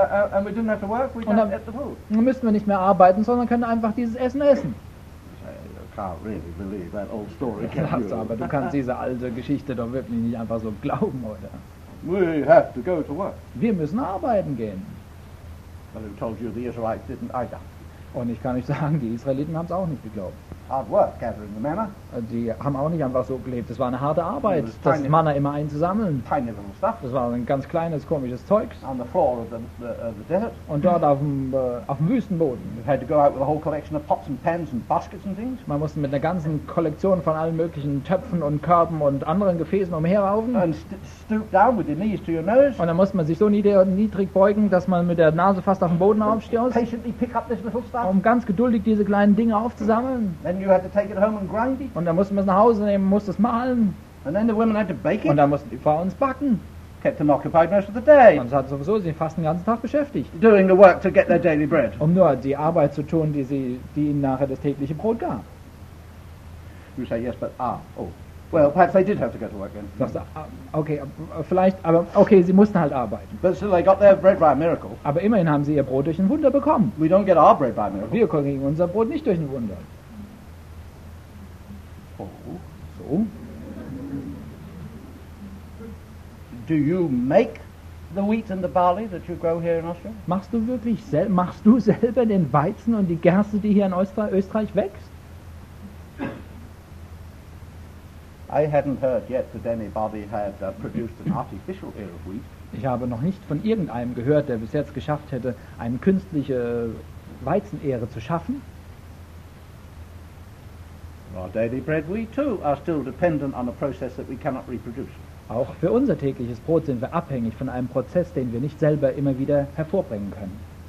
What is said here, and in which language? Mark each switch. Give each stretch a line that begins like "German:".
English: And we didn't have to work, we didn't get the food.
German: Dann müssten wir nicht mehr arbeiten, sondern können einfach dieses Essen essen.
English: You can't really believe that old story, can you?
German: Aber du kannst diese alte Geschichte doch wirklich nicht einfach so glauben, oder?
English: We have to go to work.
German: Wir müssen arbeiten gehen.
English: Well, who told you the Israelites didn't either?
German: Und ich kann euch sagen, die Israeliten haben es auch nicht geglaubt.
English: Hard work gathering the manna.
German: Die haben auch nicht einfach so gelebt. Es war eine harte Arbeit, das Manna immer einzusammeln.
English: Tiny little stuff.
German: Das war ein ganz kleines, komisches Zeugs.
English: On the floor of the desert.
German: Und dort auf dem Wüstenboden.
English: You had to go out with a whole collection of pots and pans and baskets and things.
German: Man musste mit einer ganzen Kollektion von allen möglichen Töpfen und Körben und anderen Gefäßen umherlaufen.
English: And stoop down with your knees to your nose.
German: Und dann musste man sich so niedrig beugen, dass man mit der Nase fast auf dem Boden aufstößt.
English: Patiently pick up this little stuff.
German: Um ganz geduldig diese kleinen Dinge aufzusammeln.
English: Then you had to take it home and grind it.
German: Und dann mussten wir es nach Hause nehmen, mussten es mahlen.
English: And then the women had to bake it.
German: Und dann mussten die Frauen es backen.
English: kept them occupied most of the day.
German: Und hat sowieso sie fast den ganzen Tag beschäftigt.
English: Doing the work to get their daily bread.
German: Um nur die Arbeit zu tun, die sie, die ihnen nachher das tägliche Brot gab.
English: You say yes, but well, perhaps they did have to go to work then.
German: Okay, sie mussten halt arbeiten.
English: But still, they got their bread by a miracle.
German: Aber immerhin haben sie ihr Brot durch ein Wunder bekommen.
English: We don't get our bread by a miracle.
German: Wir kriegen unser Brot nicht durch ein Wunder. Oh, so.
English: Do you make the wheat and the barley that you grow here in Austria?
German: Machst du wirklich machst du selber den Weizen und die Gerste, die hier in Österreich wächst?
English: I hadn't heard yet that anybody had produced an artificial ear of wheat.
German: Ich habe noch nicht von irgendeinem gehört, der bis jetzt geschafft hätte, eine künstliche Weizenähre zu schaffen.
English: Our daily bread, we too are still dependent on a process that we cannot reproduce.
German: Auch für unser tägliches Brot sind wir abhängig von einem Prozess, den wir nicht selber immer wieder hervorbringen können.